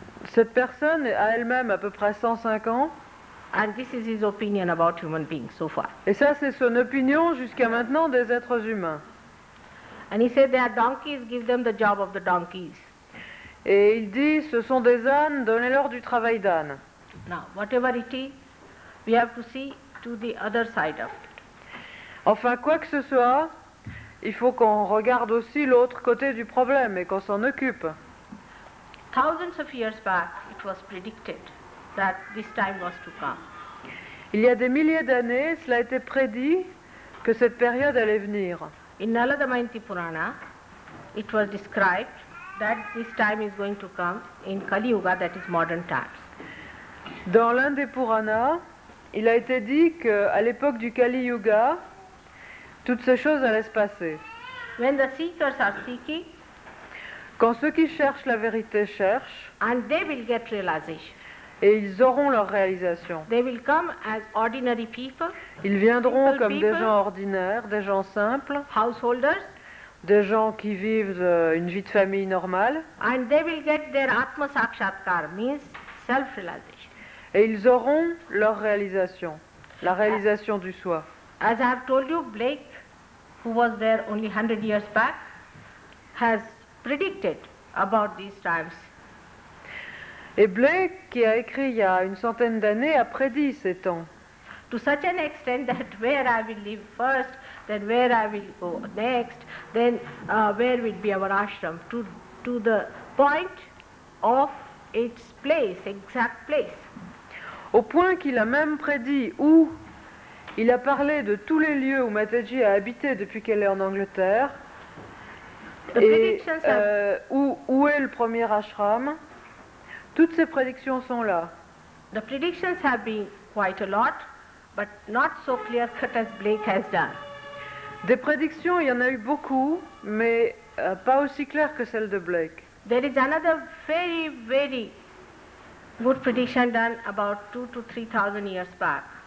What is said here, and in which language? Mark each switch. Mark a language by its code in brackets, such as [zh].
[fr] Cette personne a elle-même à peu près 105 ans. [en] And this is his opinion about human beings so far. [fr] Et ça, c'est son opinion jusqu'à maintenant des êtres humains. [en] And he said, they are donkeys, give them the job of the donkeys. [fr] Et il dit, ce sont des ânes, donnez-leur du travail d'âne. [en] Now, whatever it is, we have to see to the other side of it. [fr] Enfin, quoi que ce soit, il faut qu'on regarde aussi l'autre côté du problème et qu'on s'en occupe. [en] Thousands of years back, it was predicted that this time was to come. [fr] Il y a des milliers d'années, cela a été prédit que cette période allait venir. [en] In Naladamayanti Purana, it was described that this time is going to come in Kali Yuga, that is modern times. [fr] Dans l'un des Puranas, il a été dit qu'à l'époque du Kali Yuga, toutes ces choses allaient se passer. [en] When the seekers are seeking, [fr] quand ceux qui cherchent la vérité cherchent, [en] and they will get realization. [fr] Et ils auront leur réalisation. [en] They will come as ordinary people, [fr] ils viendront simple comme [en] people, [fr] des gens ordinaires, des gens simples, [en] householders, [fr] des gens qui vivent une vie de famille normale, [en] and they will get their atma sakshatkar, means self-realization. [fr] Et ils auront leur réalisation, la réalisation du soi. [en] As I have told you, Blake, who was there only 100 years back, has predicted about these times. [fr] Et Blake, qui a écrit il y a une centaine d'années, a prédit ces temps. [en] To such an extent that where I will live first, then where I will go next, then where will be our ashram, to the point of its place, exact place. [fr] Au point qu'il a même prédit où il a parlé de tous les lieux où Mataji a habité depuis qu'elle est en Angleterre, et où est le premier ashram. Toutes ces prédictions sont là. [en] The predictions have been quite a lot, but not so clear cut as Blake has done. [fr] Des prédictions, il y en a eu beaucoup, mais pas aussi claires que celles de Blake. [en] There is another very, very good prediction done about 2,000 to 3,000 years back.